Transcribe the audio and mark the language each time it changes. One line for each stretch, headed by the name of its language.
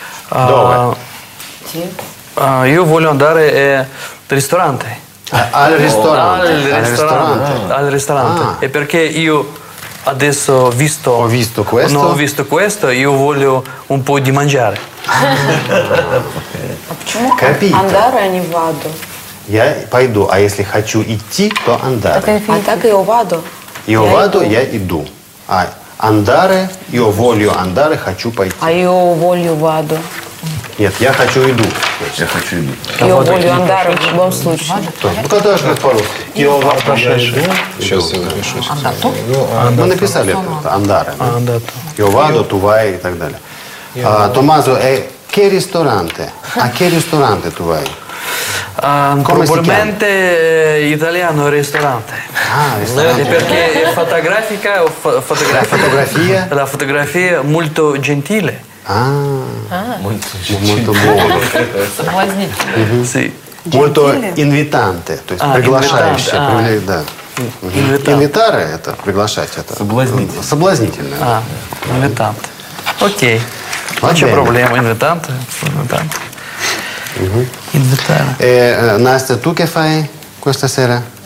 Italian: Dove? Io voglio andare al ristorante. Al ristorante? Al ristorante. Al ristorante. E perché io adesso visto... Ho visto questo? Non ho visto questo, io voglio un po' di mangiare.
Russian: А почему «андаре», а не «вадо»? Я пойду, а если хочу идти, то «андаре». А так и «вадо». И «вадо» я иду. А «андаре», и «волю андаре» хочу пойти. А «ио волю вадо». Нет, я хочу иду. Я хочу иду. «Ио волю андаре» в любом случае. Ну, когда же как по-русски? «Ио вадо» я иду.
Italian: «Андато»?
Russian: Мы написали это, «андаре».
Italian: «Андато».
Russian: «Ио вадо», «тувай» и так далее.
Italian: Томазо, che ristorante? A che ristorante tu vai? Probabilmente italiano ristorante. Ristorante. Perché è fotografica o fotografia? Fotografia? La fotografia è molto gentile. Molto buono. Sì. Molto invitante, приглашающе. Invitare è приглашать.
Russian: Соблазнительно. Соблазнительно.
Italian: Invitante. Ok.
Russian: Ваша проблема, инвитанты.
Italian: Инвитанты. Настя,
Russian: ты что
Italian: фай questa sera?